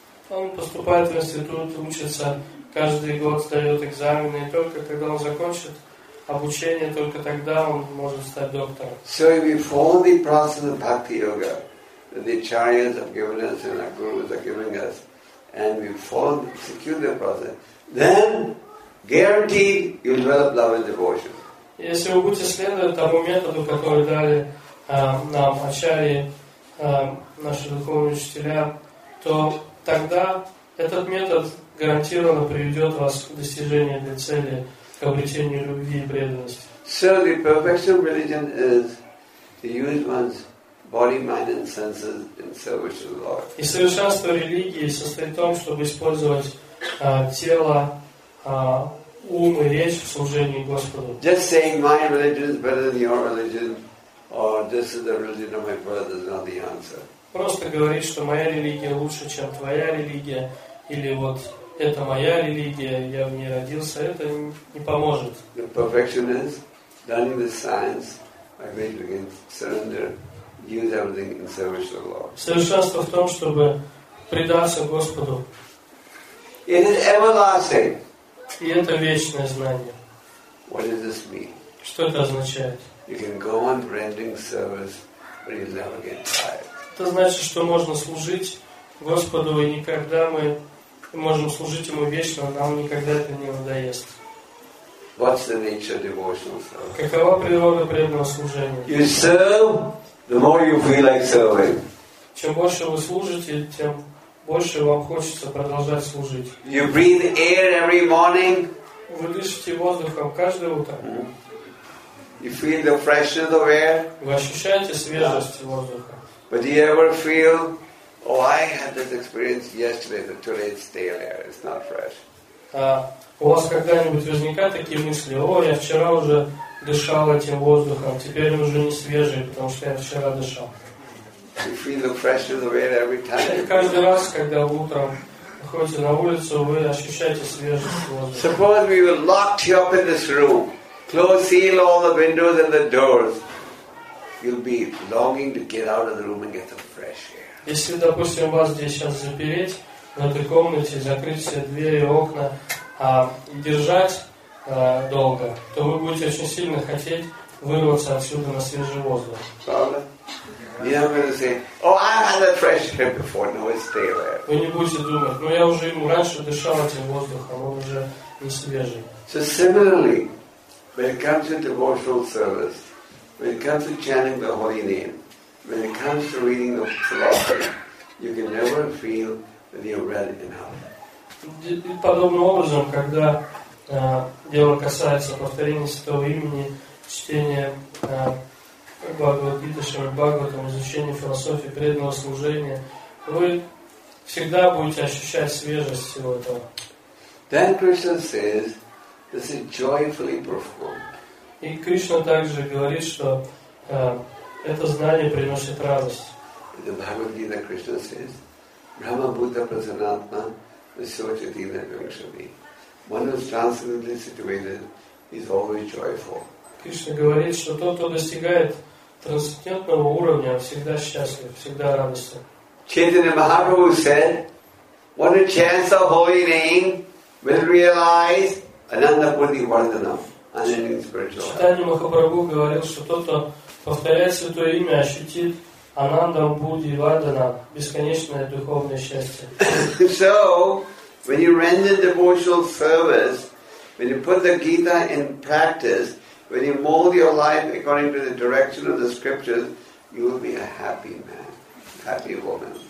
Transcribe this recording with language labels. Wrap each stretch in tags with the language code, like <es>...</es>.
<ru>Он поступает в институт, учится каждый год, сдает экзамены, и только когда он закончит обучение, только тогда он может стать доктором.</ru> <en>So if you follow the process of Bhakti Yoga that the Acharyas have given us and our Gurus are giving us, and we follow the secular process, then guaranteed you will develop love and devotion.</en> <ru>Если вы будете следовать тому методу, который дали нам Ачарьи, наши духовные учителя, то тогда этот метод гарантированно приведет вас к достижению этой цели, к обретению любви и преданности.</ru> <en>So the perfection of religion is to use one's body, mind and senses in service to the Lord.</en> <ru>И совершенство религии состоит в том, чтобы использовать тело, ум и речь в служении Господу.</ru> <en>Just saying my religion is better than your religion, or this is the religion of my brother, is not the answer.</en> <ru>Просто говорить, что моя религия лучше, чем твоя религия, или вот это моя религия, я в ней родился, это не поможет.</ru> <en>The perfection is done with science, by which we can surrender, use everything in service of the Lord.</en> <ru>Совершенство в том, чтобы предаться Господу.</ru> <en>It is everlasting.</en> <ru>И это вечное знание.</ru> <en>What does this mean?</en> <ru>Что это означает?</ru> <en>You can go on rendering service, but you'll never get tired.</en> <ru>Это значит, что можно служить Господу, и никогда мы можем служить Ему вечно, нам никогда это не надоест.</ru> <en>What's the nature of devotional service?</en> <ru>Какова природа преданного служения?</ru> <en>You serve, the more you feel like serving.</en> <ru>Чем больше вы служите, тем больше вам хочется продолжать служить.</ru> <en>You breathe air every morning.</en> <ru>Вы дышите воздухом каждое утро. Mm-hmm.</ru> <en>You feel the freshness of air.</en> <ru>Вы ощущаете свежесть воздуха.</ru> <en>But do you ever feel, oh, I had this experience yesterday, that today it's stale air, it's not fresh?</en> <ru>У вас когда-нибудь возникают такие мысли, о, я вчера уже дышал этим воздухом, теперь уже не свежий, потому что я вчера дышал.</ru> <en>You feel the freshness of air every time.</en> <ru>Каждый раз, когда утром выходите на улицу, вы ощущаете свежесть воздуха.</ru> <en>Suppose we were locked you up in this room, close seal all the windows and the doors, you'll be longing to get out of the room and get some fresh air. Если, допустим, вас здесь сейчас запереть в этой комнате, закрыть все двери и окна, и держать долго, то вы будете очень сильно хотеть вырваться отсюда на свежий воздух. You're not going to say, oh, I've had that fresh air before. No, it's stale air.</en> <ru>Вы не будете думать, но я уже ему раньше дышал этим воздухом, он уже не свежий.</ru> <en>So similarly, when it comes to devotional service, when it comes to chanting the holy name, when it comes to reading the philosophy, you can never feel that you've read enough.</en> <ru>Подобным образом, когда дело касается повторения святого имени, чтения Бхагавад-гиты, Шримад-Бхагаватам, изучения философии, преданного служения, вы всегда будете ощущать свежесть всего этого.</ru> <en>Then Krishna says, this is joyfully performed.</en> <ru>И Кришна также говорит, что это знание приносит радость.</ru> <en>In the Bhagavad-gita, Krishna says,</en> <sa>Brahma Buddha Prasanatma Visochatina Vyakshami.</sa> <en>One who is transcendently situated is always joyful.</en> <ru>Кришна говорит, что тот, кто достигает трансцендентного уровня, всегда счастлив, всегда радостен.</ru> <en>Chaitanya Mahaprabhu said, what a chance of holy name will realize</en> <sa>Ananda Purdi Vardhanam.</sa> <ru>Читание Махапрабху говорил, что тот, кто повторяет святое имя, ощутит</ru> <sa>Ананда Будди Вардана,</sa> <ru>бесконечное духовное счастье.</ru> <en>So, when you render devotional service, when you put the Gita in practice, when you mold your life according to the direction of the scriptures, you will be a happy man, happy woman.</en>